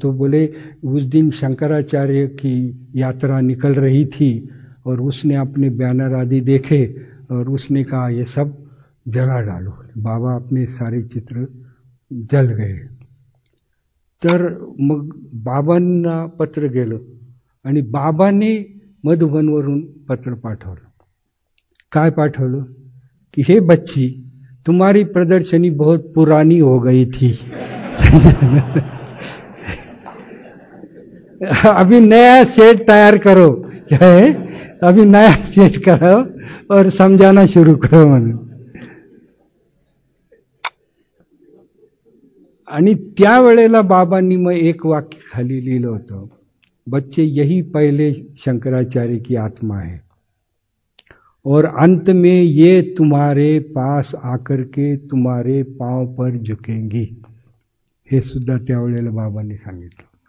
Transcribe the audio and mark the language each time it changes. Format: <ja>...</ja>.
<hi>तो बोले उस दिन शंकराचार्य की यात्रा निकल रही थी और उसने अपने बैनर आदि देखे और उसने कहा ये सब जला डालो, बाबा अपने सारे चित्र जल गए.</hi> <mr>तर मग बाबांना पत्र गेलं आणि बाबांनी मधुबनवरून पत्र पाठवलं. काय पाठवलं, की हे बच्ची</mr> <hi>तुम्हारी प्रदर्शनी बहुत पुरानी हो गई थी अभी नया सेट तैयार करो, क्या है अभी नया सेट करो और समझाना शुरू करो।</hi> <mr>मन आणि त्या वेळेला बाबांनी मग एक वाक्य खाली लिहिलं होतं,</mr> <hi>बच्चे यही पहिले शंकराचार्य की आत्मा आहे और अंत में ये तुम्हारे पास आकर के तुम्हारे पाव पर झुकेंगी,</hi> <mr>हे सुद्धा त्या वेळेला बाबांनी सांगितलं।</mr>